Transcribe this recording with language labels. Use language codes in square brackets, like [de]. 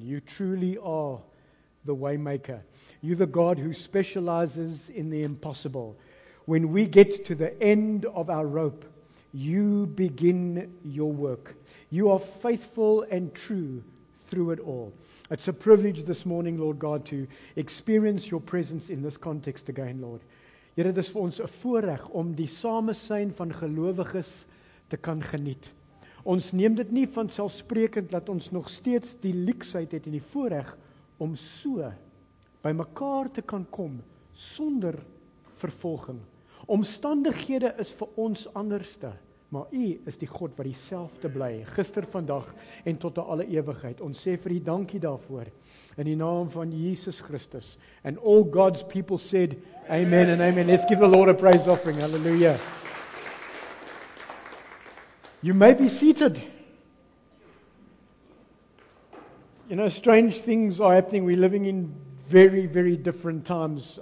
[en] You truly are the waymaker. You're the God who specializes in the impossible. When we get to the end of our rope, you begin your work. You are faithful and true through it all. It's a privilege this morning, Lord God, to experience your presence in this context again, Lord. [af] Here, dit is vir ons 'n voorreg om die samesyn van gelowiges te kan geniet. Ons neem dit nie vanselfsprekend dat ons nog steeds die luksus het en die voorreg om so by mekaar te kan kom sonder vervolging. Omstandighede is vir ons anderste, maar U is die God wat dieselfde bly gister, vandag en tot aan alle ewigheid. Ons sê vir U dankie daarvoor in die naam van Jesus Christus. [en] And all God's people said amen and amen. Let's give the Lord a praise offering. Hallelujah. You may be seated. You know, strange things are happening. We're living in very, very different times.